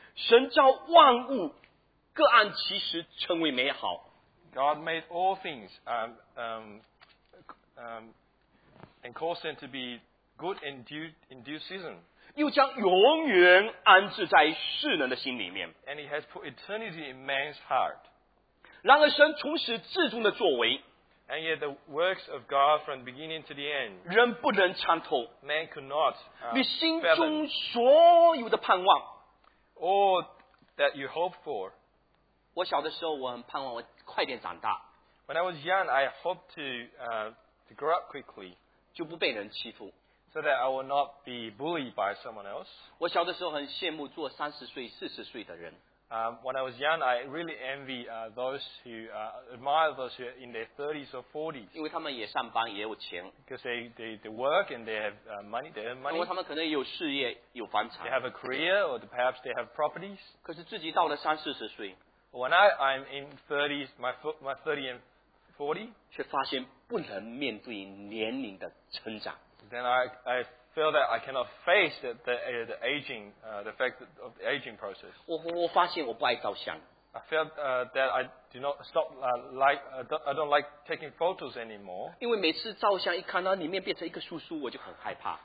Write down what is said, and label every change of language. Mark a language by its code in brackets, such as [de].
[zh] 神造万物，各按其时成为美好。 [en] God made all things and caused them to be good in due season. [zh] 又将永远安置在世人的心里面。 [en] And he has put eternity in man's heart. [zh] 然而神从始至终的作为， [en] And yet the works of God from beginning to the end, [zh] 人不能参透。 [en] Man could not, [zh] 你心中所有的盼望， [en] All that you hope for, [zh] 我小的时候我很盼望我快点长大。 [en] When I was young, I hoped to grow up quickly, [zh] 就不被人欺负。 [en] So that I will not be bullied by someone else. [zh] 我小的时候很羡慕做30岁、40岁的人。 [en] When I was young, I really envy admire those who are in their 30s or 40s. [zh] 因为他们也上班，也有钱。 [en] Because they work and they have money, they earn money. [zh] 因为他们可能有事业，有房产。 [en] They have a career or perhaps they have properties. [zh] 可是自己到了30、40岁。 [en] When I'm in 30s, my 30 and 40. [zh] 却发现不能面对年龄的成长。 [en] Then I feel that I cannot face the aging, the fact of the aging process. [zh] 我发现我不爱照相。 [en] I felt that I do not stop I don't like taking photos anymore. [zh] 因为每次照相一看到里面变成一个叔叔，我就很害怕。